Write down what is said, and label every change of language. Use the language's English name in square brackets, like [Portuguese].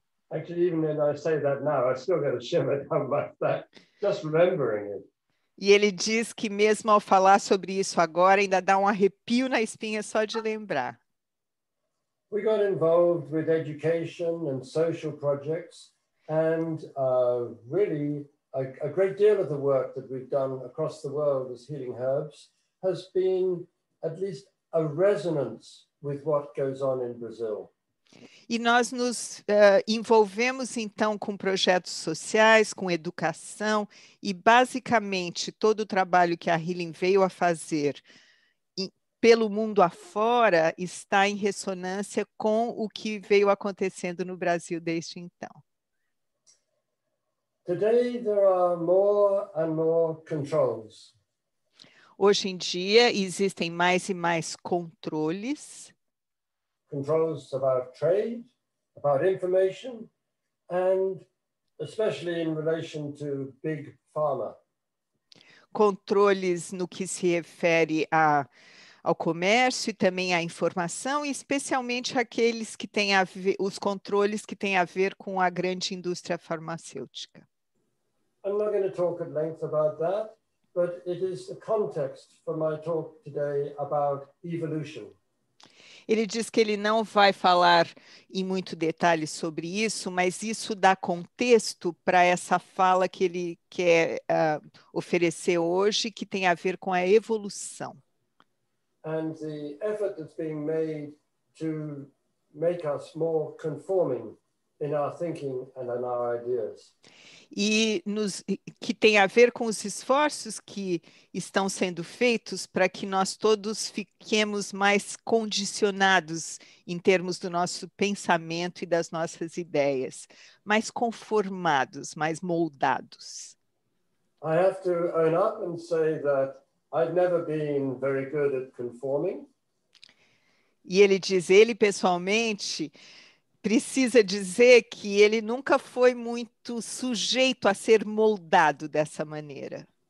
[English] Actually, even when I say that now, I still get a shiver down my back, just remembering it. [Portuguese] E ele diz que mesmo ao falar sobre isso agora, ainda dá um arrepio na espinha só de lembrar. [English] We got involved with education and social projects and really a great deal of the work that we've done across the world as Healing Herbs has been at least a resonance with what goes on in Brazil. [Portuguese] E nós nos envolvemos, então, com projetos sociais, com educação e, basicamente, todo o trabalho que a Healing veio a fazer pelo mundo afora está em ressonância com o que veio acontecendo no Brasil desde então. [English] Today there are more and more controls. [Portuguese] Hoje em dia existem mais e mais controles. [English] Controls about trade, about information, and especially in relation to big pharma. [Portuguese] Controles no que se refere ao comércio e também à informação, especialmente aqueles que têm a ver, os controles que têm a ver com a grande indústria farmacêutica. [English] I'm not going to talk at length about that, but it is the context for my talk today about evolution. [Portuguese] Ele diz que ele não vai falar em muito detalhe sobre isso, mas isso dá contexto para essa fala que ele quer oferecer hoje, que tem a ver com a evolução. [English] And the effort that's being made to make us more conforming in our thinking and in our ideas. [Portuguese] E nos, que tem a ver com os esforços que estão sendo feitos para que nós todos fiquemos mais condicionados em termos do nosso pensamento e das nossas ideias, mais conformados, mais moldados. [English] I have to own up and say that I've never been very good at conforming. [Portuguese] E ele diz, ele pessoalmente precisa dizer que ele nunca foi muito sujeito a ser moldado dessa maneira.